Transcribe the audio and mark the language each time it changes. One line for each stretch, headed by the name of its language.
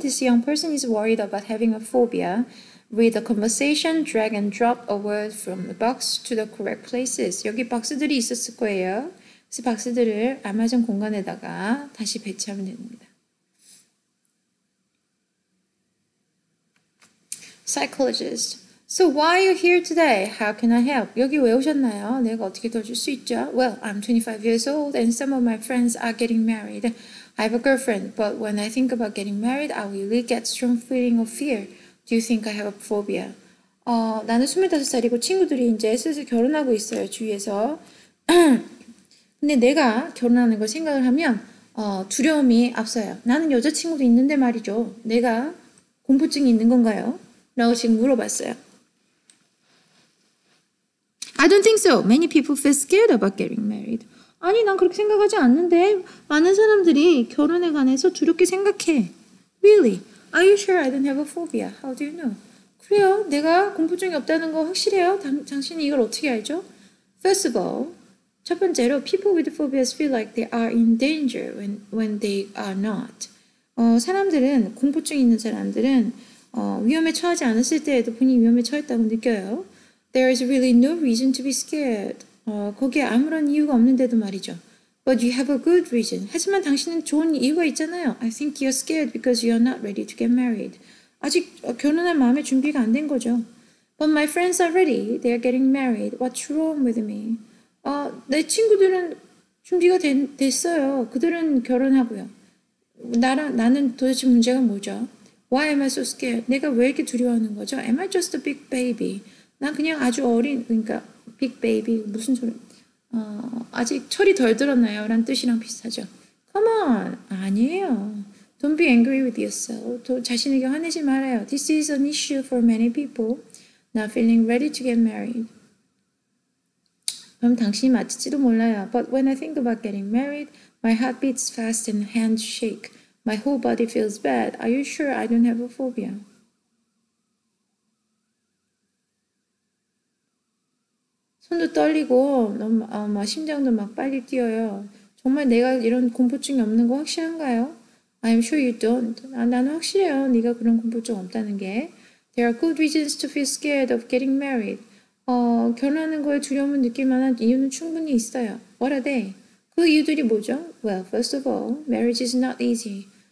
English: This young person is worried about having a phobia. Read the conversation, drag and drop a word from the box to the correct places.
Korean: 여기 박스들이 있었을 거예요. 그래서 박스들을 아마존 공간에다가 다시 배치하면 됩니다.
English: Psychologist. So why are you here today? How can I help?
Korean: 여기 왜 오셨나요? 내가 어떻게 도와줄 수 있죠?
English: Well, I'm 25 years old and some of my friends are getting married. I have a girlfriend, but when I think about getting married, I really get strong feeling of fear. Do you think I have a phobia?
Korean: 나는 25살이고 친구들이 이제 슬슬 결혼하고 있어요, 주위에서. 근데 내가 결혼하는 걸 생각을 하면 두려움이 앞서요. 나는 여자친구도 있는데 말이죠. 내가 공포증이 있는 건가요? 라고 지금 물어봤어요.
English: I don't think so. Many people feel scared about getting married.
Korean: 아니, 난 그렇게 생각하지 않는데 많은 사람들이 결혼에 관해서 두렵게 생각해.
English: Really? Are you sure I don't have a phobia? How do you know?
Korean: 그래요. 내가 공포증이 없다는 거 확실해요. 당신이 이걸 어떻게 알죠?
English: First of all,
Korean: 첫 번째로
English: people with phobias feel like they are in danger when they are not.
Korean: 사람들은 공포증이 있는 사람들은 위험에 처하지 않았을 때에도 본인이 위험에 처했다고 느껴요.
English: There is really no reason to be scared.
Korean: 거기에 아무런 이유가 없는데도 말이죠.
English: But you have a good reason.
Korean: 하지만 당신은 좋은 이유가 있잖아요.
English: I think you're scared because you're not ready to get married.
Korean: 아직 결혼할 마음의 준비가 안 된 거죠.
English: But my friends are ready. They are getting married. What's wrong with me?
Korean: 내 친구들은 준비가 됐어요. 그들은 결혼하고요. 나는 도대체 문제가 뭐죠?
English: Why am I so scared?
Korean: 내가 왜 이렇게 두려워하는 거죠?
English: Am I just a big baby?
Korean: 난 그냥 아주 어린, 그러니까 big baby, 무슨 소리, 아직 철이 덜 들었나요? 라는 뜻이랑 비슷하죠.
English: Come on!
Korean: 아니에요.
English: Don't be angry with yourself.
Korean: 자신에게 화내지 말아요.
English: This is an issue for many people. Not feeling ready to get married.
Korean: 그럼 당신이 맞을지도 몰라요.
English: But when I think about getting married, my heart beats fast and hands shake. My whole body feels bad. Are you sure I don't have a phobia?
Korean: 손도 떨리고 너무 막 심장도 막 빨리 뛰어요. 정말 내가 이런 공포증이 없는 거 확실한가요?
English: I'm sure you don't.
Korean: 나는 확실해요. 네가 그런 공포증 없다는 게.
English: There are good reasons to feel scared of getting married.
Korean: 결혼하는 거에 두려움을 느낄 만한 이유는 충분히 있어요.
English: What are they?
Korean: 그 이유들이 뭐죠?
English: Well, first of all, marriage is not easy.